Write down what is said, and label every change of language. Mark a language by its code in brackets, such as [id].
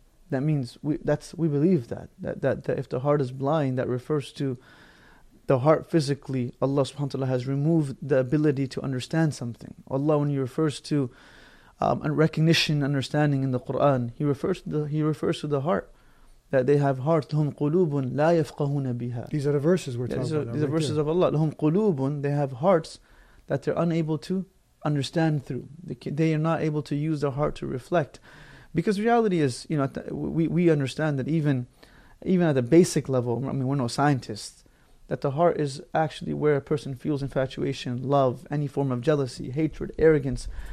[en] That means we believe that if the heart is blind, that refers to the heart physically. Allah subhanahu wa ta'ala has removed the ability to understand something. Allah, when He refers to recognition, understanding in the Quran, He refers to the heart. That they have heart, [ar] لهم قلوب لا يفقهون بها. [en] These are the verses we're talking about. These are verses of Allah. [ar] لهم قلوب, [en] they have hearts that they're unable to understand through. They are not able to use their heart to reflect. Because reality is, you know, we understand that even at a basic level, I mean, we're no scientists, that the heart is actually where a person feels infatuation, love, any form of jealousy, hatred, arrogance.